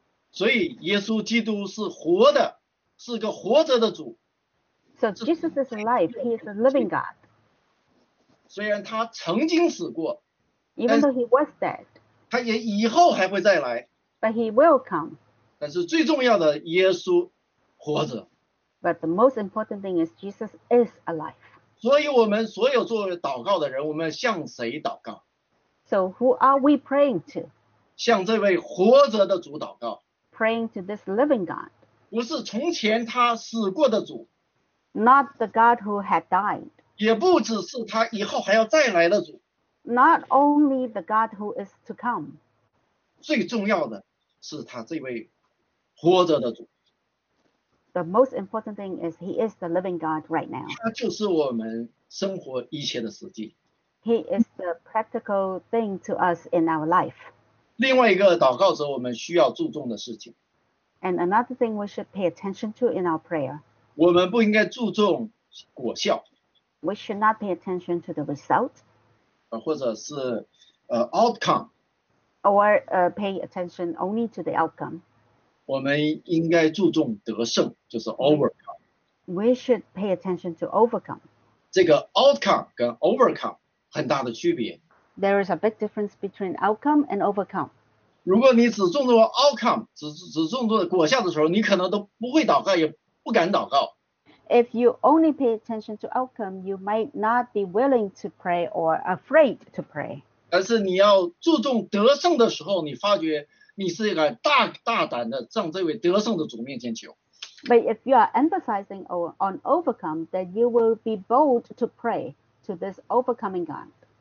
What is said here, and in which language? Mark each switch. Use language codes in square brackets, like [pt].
[zh] 所以耶稣基督是活的,是个活着的主。 [en] So Jesus is alive, he is a living God. [zh] 虽然他曾经死过, [en] Even though he was dead. [zh] 他也以后还会再来。 [en] But he will come. [zh] 但是最重要的，耶稣活着。 [en] But the most important thing is Jesus is alive. [zh] 所以我们所有做祷告的人，我们向谁祷告？ [en] So who are we praying to? [zh] 向这位活着的主祷告。 [en] Praying to this living God. [zh] 不是从前他死过的主。 [en] Not the God who had died. [zh] 也不只是他以后还要再来的主。 [en] Not only the God who is to come. [zh] 最重要的。是他这位活着的主。 [en] The most important thing is he is the living God right now. [zh] 他就是我们生活一切的实际。 [en] He is the practical thing to us in our life. [zh] 另外一个祷告者我们需要注重的事情。 [en] And another thing we should pay attention to in our prayer. [zh] 我们不应该注重果效。 [en] We should not pay attention to the result. [zh] 或者是 outcome。 [en] Or pay attention only to the outcome. [zh] 我们应该注重得胜，就是overcome. [en] We should pay attention to overcome. [zh] 这个outcome跟overcome很大的区别。 [en] There is a big difference between outcome and overcome. [zh] 如果你只重视outcome, 只重视果效的时候，你可能都不会祷告，也不敢祷告。 [en] If you only pay attention to outcome, you might not be willing to pray or afraid to pray. [zh] 但是你要注重得胜的时候，你发觉你是一个大胆的向这位得胜的主面前求。 [en] But if you are emphasizing on overcome, then you will be bold to pray to this overcoming God.